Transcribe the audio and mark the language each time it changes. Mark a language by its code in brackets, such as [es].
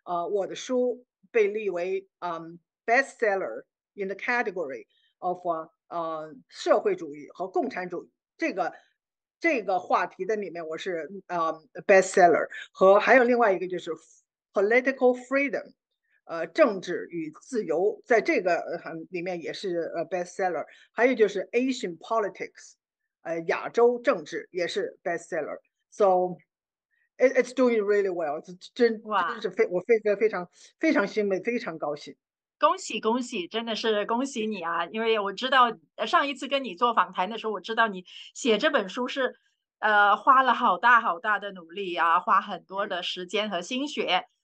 [zh] 我的书被立为bestseller in the category of 社会主义和共产主义这个话题的里面，我是bestseller，和还有另外一个就是 political freedom，政治与自由，在这个里面也是bestseller，还有就是 Asian politics，亚洲政治也是 bestseller。 [en] So it's doing really well， [zh] 真哇，是非我非常非常非常欣慰，非常高兴。恭喜恭喜，真的是恭喜你啊！因为我知道上一次跟你做访谈的时候，我知道你写这本书是，花了好大好大的努力啊，花很多的时间和心血。